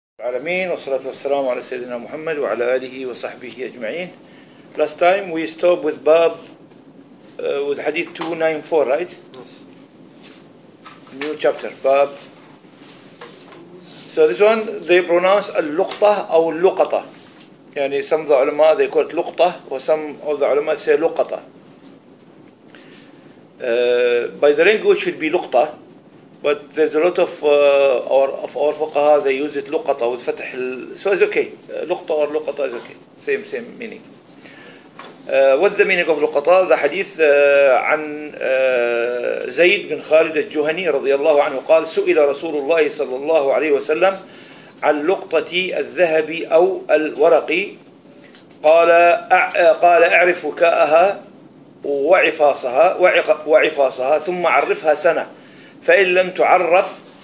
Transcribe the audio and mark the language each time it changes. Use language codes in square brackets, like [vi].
[ar] العالمين والصلاة والسلام على سيدنا محمد وعلى آله وصحبه أجمعين. [en] Last time we stopped with Bab with Hadith 294, right? Yes. New chapter, Bab. So this one they pronounce al-luqta أو al-luqata. يعني some of the علماء they call it luqta, or some of the علماء say luqata. By the language should be luqta. But there's a lot of our fuqaha, they use it luqata with fatah, so it's okay. Luqata or luqata is okay. Same meaning. What's the meaning of luqata? [ar] The hadith عن زيد بن خالد الجهني رضي الله عنه قال سئل رسول الله صلى الله عليه وسلم عن لقطة الذهب أو الورق قال اعرف وكاءها وعفاصها ثم عرفها سنة فإن لم تعرف